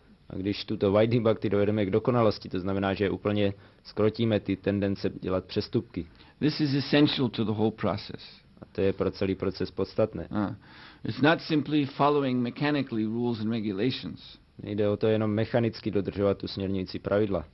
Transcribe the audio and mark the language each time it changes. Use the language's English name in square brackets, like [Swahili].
[Czech] A když tuto vaidhi bhakti dovedeme k dokonalosti, to znamená, že úplně skrotíme ty tendence dělat přestupky. [English] This is essential to the whole process. [Czech] A to je pro celý proces podstatné. [English] It's not simply following mechanically rules and regulations. [Czech] Nejde o to jenom mechanicky dodržovat usměrňující pravidla.